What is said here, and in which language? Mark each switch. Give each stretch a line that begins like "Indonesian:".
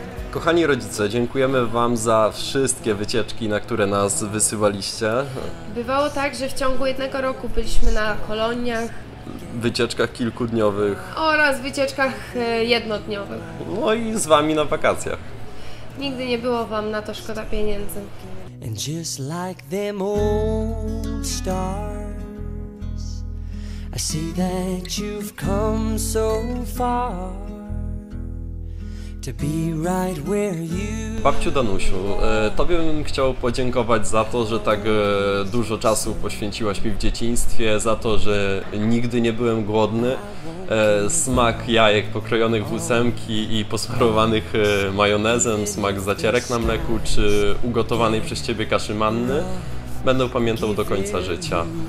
Polish: Kochani rodzice, dziękujemy Wam za wszystkie wycieczki, na które nas wysyłaliście. Bywało tak, że w ciągu jednego roku byliśmy na koloniach, wycieczkach kilkudniowych oraz wycieczkach jednodniowych. No i z Wami na wakacjach. Nigdy nie było Wam na to szkoda pieniędzy.
English: And just like them old stars, I see that you've come so far to be right where you...
Polish: Babciu Danusiu, Tobie bym chciał podziękować za to, że tak dużo czasu poświęciłaś mi w dzieciństwie, za to, że nigdy nie byłem głodny. Smak jajek pokrojonych w ósemki i posmarowanych majonezem, smak zacierek na mleku czy ugotowanej przez Ciebie kaszy manny będę pamiętał do końca życia.